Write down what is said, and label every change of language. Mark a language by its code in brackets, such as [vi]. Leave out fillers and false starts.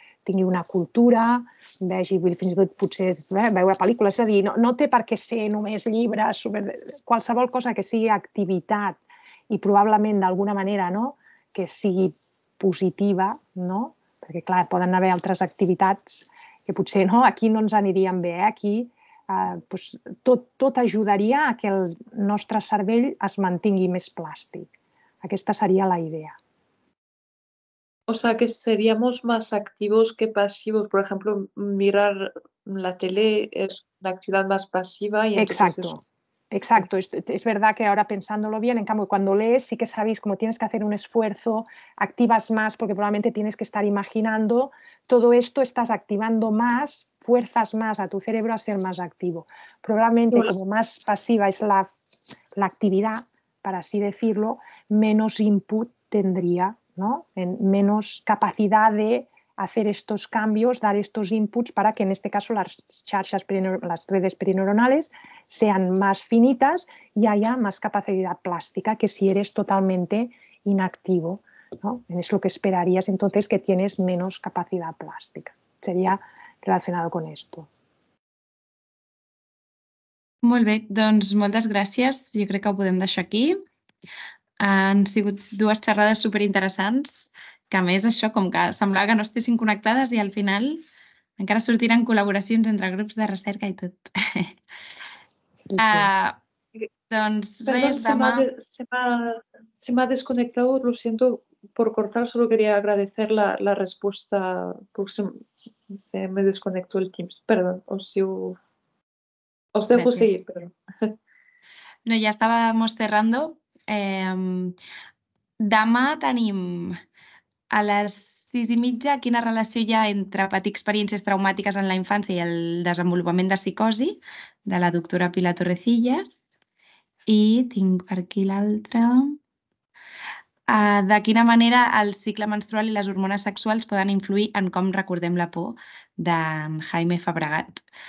[ca] tingui una cultura, vegi, vull dir, fins i tot potser veure pel·lícules, és a dir, no té per què ser només llibres, qualsevol cosa que sigui activitat i probablement d'alguna manera, no?, que sigui positiva, no?, perquè clar, poden haver altres activitats que potser, no?, aquí no ens aniríem bé, eh? Aquí doncs, tot ajudaria a que el nostre cervell es mantingui més plàstic. Aquesta seria la idea. [es] O sea, que seríamos más activos que pasivos. Por ejemplo, mirar la tele es una actividad más pasiva. Y exacto, entonces... exacto. Es verdad que ahora pensándolo bien, en cambio, cuando lees sí que sabéis cómo tienes que hacer un esfuerzo, activas más porque probablemente tienes que estar imaginando. Todo esto estás activando más, fuerzas más a tu cerebro a ser más activo. Probablemente como más pasiva es la actividad, para así decirlo, menos input tendría, ¿no? En menos capacidad de hacer estos cambios, dar estos inputs para que en este caso las redes perineuronales sean más finitas y haya más capacidad plástica que si eres totalmente inactivo, ¿no? Es lo que esperarías entonces, que tienes menos capacidad plástica. Sería relacionado con esto. [ca] Molt bé, doncs moltes gràcies. Jo crec que ho podem deixar aquí. Han sigut dues xerrades superinteressants, que a més això, com que semblava que no estiguin connectades i al final encara sortiran col·laboracions entre grups de recerca i tot. Sí, sí. Doncs [es] perdón, [ca] res, demà... Se m'ha desconnectat, [es] lo siento por cortar, solo quería agradecer [ca] la resposta. [es] Se me desconnectó el Teams, perdón, [ca] o si ho... [es] Os dejo seguir, pero... No, ya estábamos cerrando. [ca] Demà tenim a les 6:30 quina relació hi ha entre patir experiències traumàtiques en la infància i el desenvolupament de psicosi, de la doctora Pilar Torrecillas. I tinc per aquí l'altra. De quina manera el cicle menstrual i les hormones sexuals poden influir en com recordem la por, d'en Jaime Fabregat.